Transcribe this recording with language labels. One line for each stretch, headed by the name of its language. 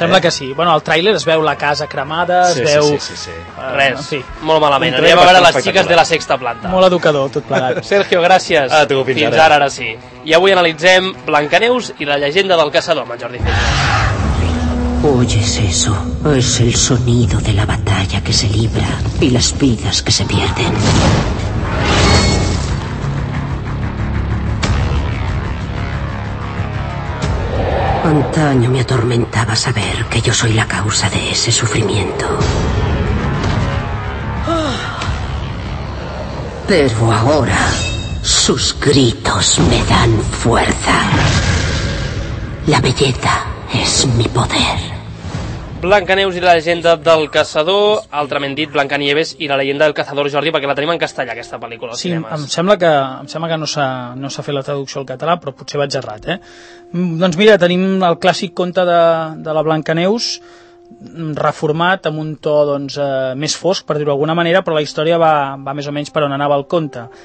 Catalan: Sembla que sí. Bueno, al tràiler es veu la casa cremada, res, en fi. Molt malament. Anem a veure Les xiques de la sexta planta. Molt educador, tot plegat. Sergio, gràcies. A tu, fins ara. Ara sí. I avui analitzem Blancaneus i la llegenda del caçador amb Jordi Feixas.
Spanish: ¿Oyes eso? Es el sonido de la batalla que se libra y las vidas que se pierden. Antaño me atormentaba saber que yo soy la causa de ese sufrimiento. Pero ahora, sus gritos me dan fuerza. La belleza es mi poder.
Catalan: Blancaneus i la llegenda del caçador, altrament dit Blancanieves i la llegenda del caçador, Jordi, perquè la tenim en castellà aquesta pel·lícula. Sí, em sembla que no s'ha fet la traducció al català, però potser vaig errat, eh? Doncs mira, tenim el clàssic conte de la Blancaneus reformat amb un to, doncs, més fosc, per dir-ho d'alguna manera, però la història va més o menys per on anava el conte.